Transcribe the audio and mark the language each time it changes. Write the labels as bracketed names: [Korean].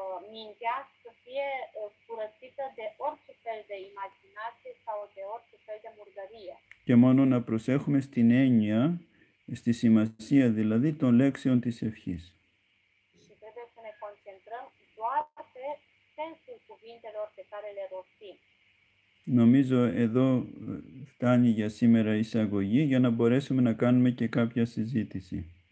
[Romanian] Mintea să fie curățită de orice fel de imaginație sau de orice fel de murdărie. [Greek] Και μόνο να προσέχουμε στην έννοια, στη σημασία δηλαδή των λέξεων της ευχής. [Romanian] Și trebuie să ne concentrăm doar pe sensul cuvintelor pe care le rostim. [Greek] Νομίζω εδώ φτάνει για σήμερα η εισαγωγή για να μπορέσουμε να κάνουμε και κάποια συζήτηση.